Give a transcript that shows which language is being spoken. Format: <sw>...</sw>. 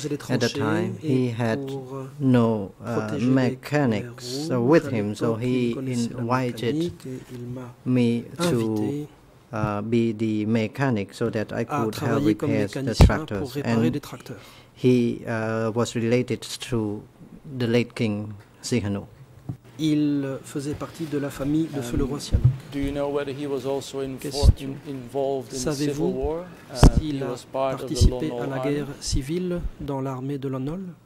<en>At the time, he had no mechanics with him, so he invited me to be the mechanic so that I could help repair the tractors. And he was related to the late King Sihanouk.</en> <fr>Il faisait partie de la famille de feu le roi Sihanouk.</fr> <en>Do you know whether he was also involved in the civil war?</en> <fr>S'il a participé à la guerre civile dans l'armée de Lonol?</fr>